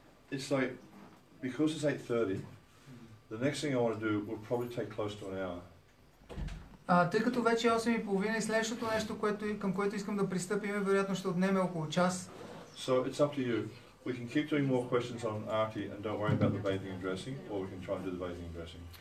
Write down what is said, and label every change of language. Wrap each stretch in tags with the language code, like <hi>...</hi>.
<en>it's like, because it's 8:30, the next thing I want to do will probably take close to an hour.</en> <bg>Тъй като вече е 8:30 и следващото нещо, което, към което искам да пристъпим, вероятно ще отнеме около час.</bg> <en>So it's up to you. We can keep doing more questions on Arti and don't worry about the bathing and dressing, or we can try and do the bathing and dressing.</en>